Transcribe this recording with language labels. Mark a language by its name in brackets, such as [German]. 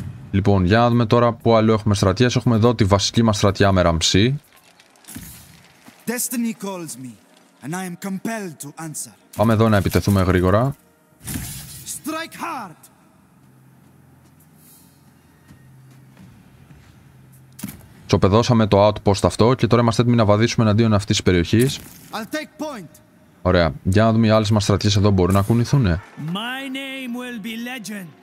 [Greek] Λοιπόν, για να δούμε τώρα που άλλο έχουμε στρατιές. Έχουμε εδώ τη βασική μας στρατιά με Ramsey. [English] Destiny calls me and I am compelled to answer. [Greek] Πάμε εδώ να επιτεθούμε γρήγορα. [English] Strike hard. [Greek] Σοπεδώσαμε το outpost αυτό και τώρα είμαστε έτοιμοι να βαδίσουμε εναντίον αυτής της περιοχής. Ωραία, για να δούμε οι άλλες μας στρατιές εδώ μπορούν να κουνηθούνε. [English] My name will be legend.